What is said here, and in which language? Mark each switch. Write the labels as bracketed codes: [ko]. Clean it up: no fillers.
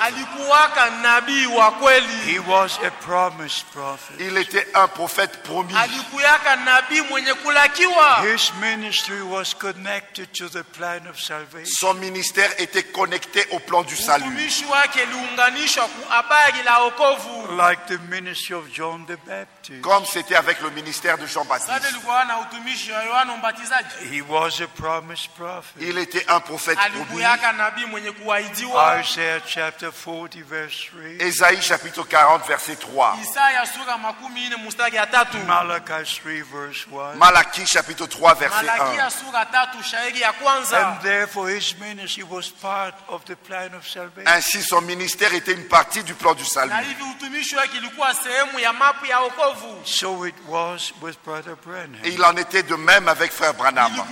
[sw] Alikuwaka nabii wa kweli. [en] He was a promised prophet. [fr] Il était un prophète promis. [sw] Alikuwaka nabii mwenye kulakiwa. [en] His ministry was connected to the plan of salvation. [fr] Son ministère était connecté au plan du salut. [sw] Utumishi wake liunganishwa ku habari la wokovu. [en] Like the ministry of John the Baptist. [fr] Comme c'était avec le ministère de Jean-Baptiste. [sw] Sasa ilikuwa na utumishi wa Yohana Mbatizaji. [en] He was a promised prophet. [fr] Il était un prophète promis. [en] Isaiah chapter 40 verse 3. [fr] Ésaïe chapitre 40 verset 3. [sw] Isaiah sura makumi ine mustari ya 3. [en] Malachi 3 verse 1. [fr] Malachi chapitre 3 verset 1. [sw] Malachi sura 3 shairi ya kwanza. [en] And therefore his ministry was part of the plan of salvation. [fr] Ainsi son ministère était une partie du plan du salut. [sw] Na hivi utumishi wake ilikuwa sehemu ya mapu ya wokovu. [en] So it was with Brother Branham. [fr] Il en était de même avec Frère Branham.